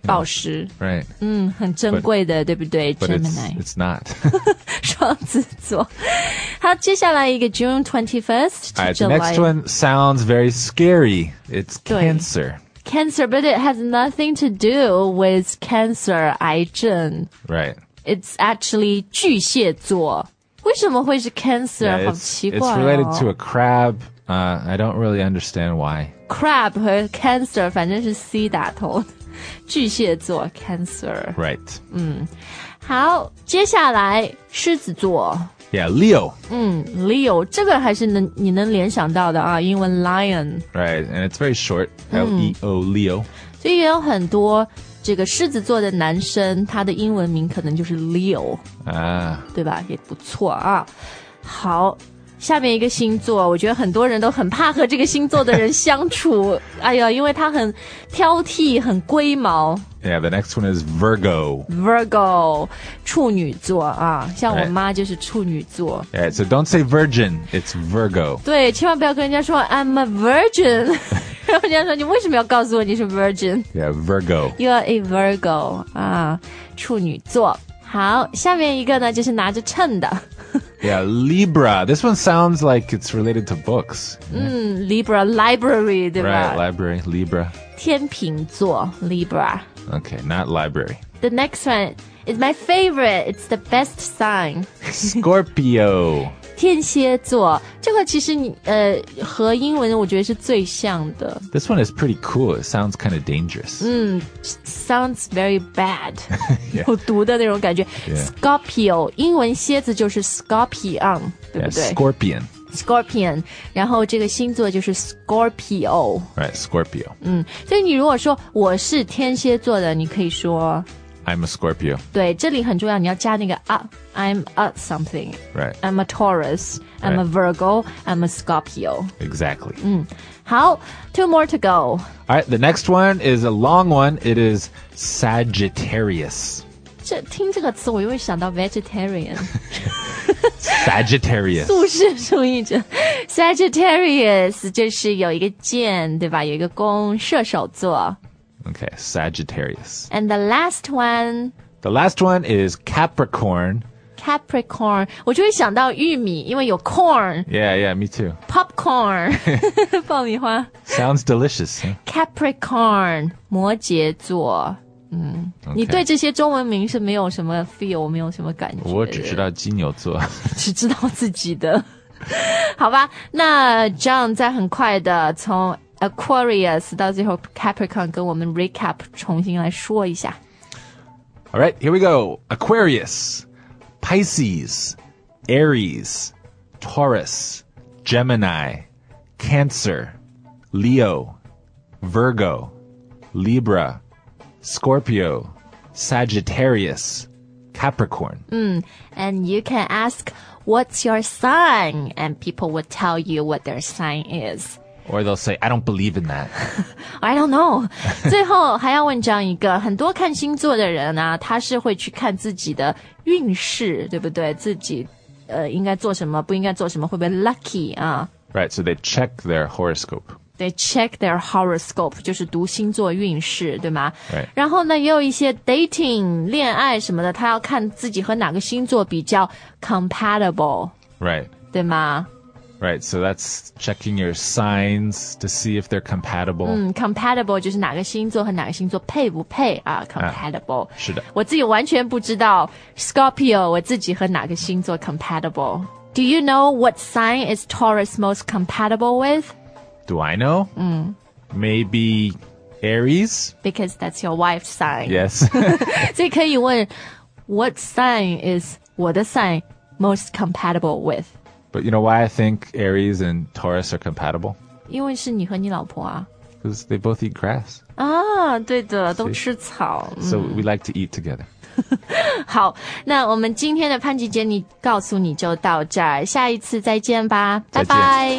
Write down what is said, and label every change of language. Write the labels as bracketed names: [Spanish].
[Chinese] know, 宝石 [English] Right [Chinese] 很珍贵的 [English] but, [Chinese] 对不对 Gemini [English] it's not [Chinese] 双子座好接下来一个 [English] June 21st to right, July The next one sounds very scary It's cancer Cancer, but it has nothing to do with cancer, 癌症 Right. It's actually [Chinese] 巨蟹座为什么会是 cancer? [English] Yeah, [Chinese] 好奇怪哦 [English] It's related to a crab. I don't really understand why. [Chinese] Crab 和 cancer 反正是 C 打头巨蟹座 cancer. [English] Right. [Chinese] 好接下来狮子座 [English] Yeah, Leo. [Chinese] Leo, 这个还是你能联想到的啊英文 lion. [English] Right, and it's very short. L-E-O, Leo. [Chinese] 所以也有很多这个狮子座的男生他的英文名可能就是 Leo. 啊。对吧也不错啊。好下面一个星座我觉得很多人都很怕和这个星座的人相处。哎呀因为他很挑剔很龟毛。 [English] Yeah, the next one is Virgo. [Chinese] Virgo, 处女座啊，像我妈就是处女座。 [English] Yeah, so don't say virgin, it's Virgo. [Chinese] 对，千万不要跟人家说 [English] I'm a virgin. [Chinese] 然后人家说你为什么要告诉我你是 virgin? [English] Yeah, Virgo. You are a Virgo, 啊，处女座。 [Chinese] 好，下面一个呢就是拿着秤的。 [English] Yeah, Libra. This one sounds like it's related to books. Mm, Libra, library, 对吧 Right, library, Libra. [Chinese] 天秤座 Libra. [English] Okay, not library. The next one is my favorite. It's the best sign. Scorpio. [Chinese] 天蝎座这个其实你和英文我觉得是最像的。 [English] This one is pretty cool. It sounds kind of dangerous. Mm, sounds very bad. [Chinese] 有毒的那种感觉。 Scorpio, 英文蝎子就是 Scorpion, 对不对 [English] Scorpion. [Chinese] Scorpion, 然后这个星座就是 Scorpio. [English] Right, Scorpio. [Chinese] 嗯，所以你如果说我是天蝎座的你可以说 [English] I'm a Scorpio. [Chinese] 对，这里很重要，你要加那个 I'm a something. [English] Right. I'm a Taurus. I'm a Virgo. I'm a Scorpio. Exactly. 嗯，好 ，two more to go. All right, the next one is a long one. It is Sagittarius. [Chinese] 这听这个词，我又会想到 vegetarian. [English] Sagittarius. [Chinese] 素食主义者 Sagittarius 就是有一个箭，对吧？有一个弓，射手座。 [English] Okay, Sagittarius. And the last one? The last one is Capricorn. Capricorn. [Chinese] 我就会想到玉米因为有 corn. [English] Yeah, yeah, me too. Popcorn. 爆米花 Sounds delicious.、Huh? [Chinese] Capricorn. 摩羯座、嗯 [English] okay. [Chinese] 你对这些中文名是没有什么 feel, 没有什么感觉。我只知道金牛座。只知道自己的。好吧那 John 在很快的从Aquarius 到最后 Capricorn 跟我们 recap 重新来说一下 [English] Alright, here we go Aquarius Pisces Aries Taurus Gemini Cancer Leo Virgo Libra Scorpio Sagittarius Capricorn、 And you can ask What's your sign? And people will tell you what their sign is Or they'll say, I don't believe in that. I don't know. [Chinese] 最后还要问这样一个，很多看星座的人啊，他是会去看自己的运势，对不对？自己应该做什么，不应该做什么，会不会 lucky 啊 [English] ？Right, so they check their horoscope. They check their horoscope, [Chinese] 就是读星座运势，对吗 [English] ？Right. [Chinese] 然后呢，也有一些 dating 恋爱什么的，他要看自己和哪个星座比较 compatible. [English] Right. [Chinese] 对吗？ [English] Right, so that's checking your signs to see if they're compatible. [Chinese] Compatible 就是哪个星座和哪个星座配不配啊 ,compatible. 是的。我自己完全不知道 Scorpio, 我自己和哪个星座 compatible. [English] Do you know what sign is Taurus most compatible with? Do I know? Maybe Aries? Because that's your wife's sign. Yes. [Chinese] 所以可以问 [English] what sign is 我的 sign most compatible with? But you know why I think Aries and Taurus are compatible? [Chinese] 因为是你和你老婆啊。 [English] Because they both eat grass. [Chinese] 啊，对的，都吃草。 [English] So we like to eat together. [Chinese] 好，那我们今天的潘吉姐你告诉你就到这儿，下一次再见吧，拜拜。